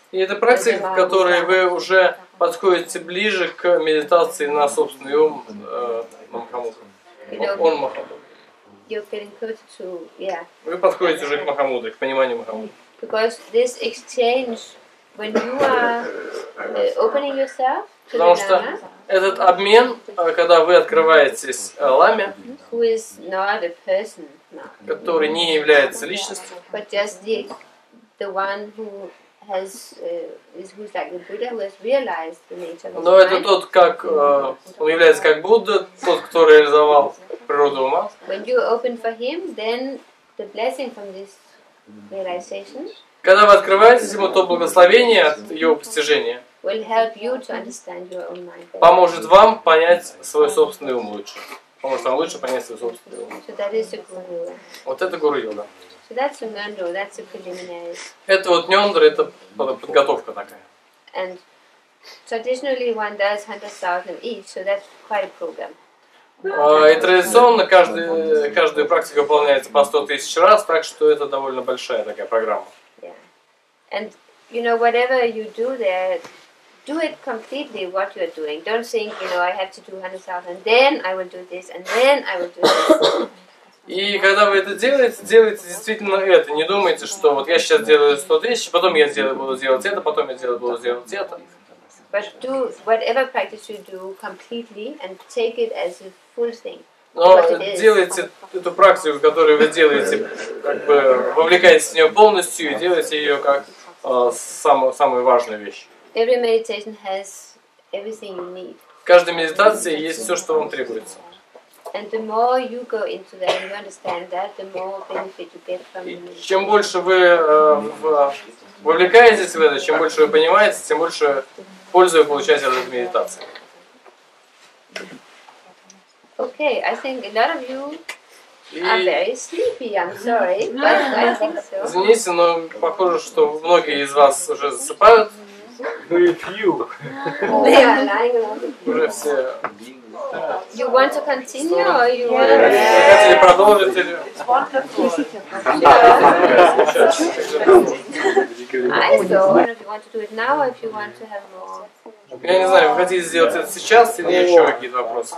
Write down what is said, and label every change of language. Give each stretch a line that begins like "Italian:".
Russian: И это практика, в которой вы уже подходите ближе к медитации на собственный ум, Махамудру.
English: You're getting closer to, yeah.
Russian: Вы подходите уже к Махамудре, к пониманию Махамудры.
English: Because this exchange, when you are opening yourself to
Russian: Потому что этот обмен, когда вы открываетесь ламе,
English: who is not a person,
Russian: который не является личностью,
English: but just the one who has who's like the Buddha who has realized the nature of the mind.
Russian: Но это тот, как он является как Будда, тот, кто реализовал.
English: When you open for him, then the blessing from this realization.
Russian: Когда вы открываетесь ему, то благословение от его постижения.
English: Will help you to understand your own mind.
Russian: Поможет вам понять свой собственный ум лучше. Поможет вам лучше понять свой собственный ум.
English: So that is a guru yoga.
Russian: Вот это гуру йога.
English: So that's a нёндро, that's a preliminary.
Russian: Это вот нёндро, это подготовка такая.
English: And traditionally one does 100,000 each, so that's quite a program.
Russian: И традиционно каждая практика выполняется по 100,000 раз, так что это довольно большая такая программа.
English: Yeah. And you know, whatever you do there, do it completely what you're doing. Don't think, you know, I have to do 100,000, then I will do this, and then I will do this.
Russian: И когда вы это делаете, делайте действительно это. Не думайте, что вот я сейчас делаю 100,000, потом я буду делать это.
English: But do whatever practice you do completely and take it as a full thing.
Russian: Но делайте эту практику, которую вы делаете, как бы вовлекаетесь в нее полностью и делаете ее как самую важную вещь.
English: Every meditation has everything you need.
Russian: В каждой медитации есть все, что вам требуется.
English: And the more you go into that and you understand that, the more benefit you get from it.
Russian: Чем больше вы вовлекаетесь в это, чем больше вы понимаете, тем больше пользуя получать от медитации.
English: Okay, I think a lot of you are very sleepy. I'm sorry, but I think so.
Russian: Извините, но похоже, что многие из вас уже засыпают. Ну и фью. Да, лайк. Уже все.
English: You want to continue or you want to?
Russian: Хотели продолжить или?
English: I don't know if you want to do it now or if you want to have more.
Russian: Я не знаю, вы хотите сделать это сейчас или еще какие-то вопросы?